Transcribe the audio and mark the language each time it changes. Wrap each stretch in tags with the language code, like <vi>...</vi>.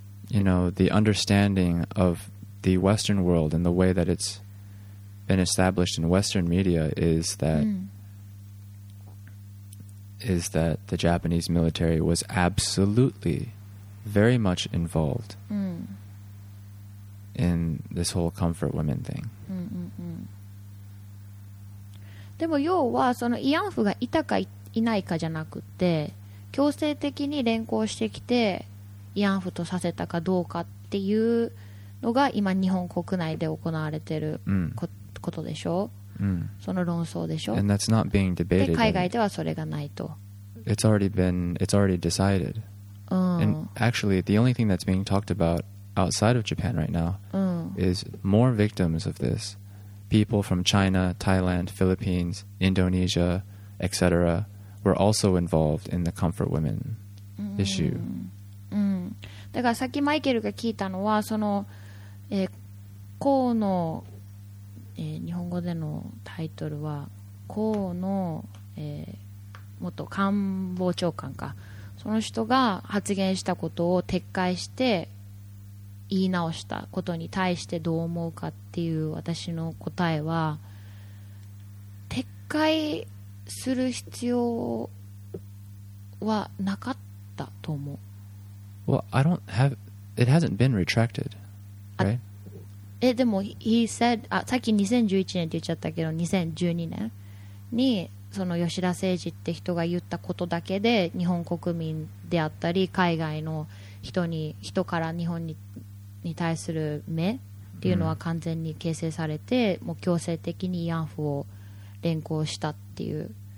<en>You know, the understanding of the Western world and the way that it's been established in Western media is that the Japanese military was absolutely very much involved in this whole comfort women thing.</en> <ja>でも要はその慰安婦がいたかいないかじゃなくて、強制的に連行してきて慰安婦とさせたかどうかっていうのが今日本国内で行われてる。ことでしょ、その論争でしょ。</ja> <en>And that's not being debated.</en> <ja>で、海外ではそれがないと。</ja> <en>It's already decided. And actually, the only thing that's being talked about outside of Japan right now is more victims of this. People from China, Thailand, Philippines, Indonesia, etc. were also involved in the comfort women issue.</en> <ja>だからさっきマイケルが聞いたのは、その、河野、日本語でのタイトルは河野、元官房長官か、その人が発言したことを撤回して言い直したことに対してどう思うかっていう私の答えは、撤回する必要はなかったと思う。</ja> <en>Well, I don't have, it hasn't been retracted, right?</en> <ja>でも</ja> <en>he said、</en> <ja>さっき2011年って言っちゃったけど、2012年にその吉田誠二って人が言ったことだけで、日本国民であったり海外の人から日本 に対する目っていうのは完全に形成されて、もう強制的に慰安婦を連行したっていう</ja>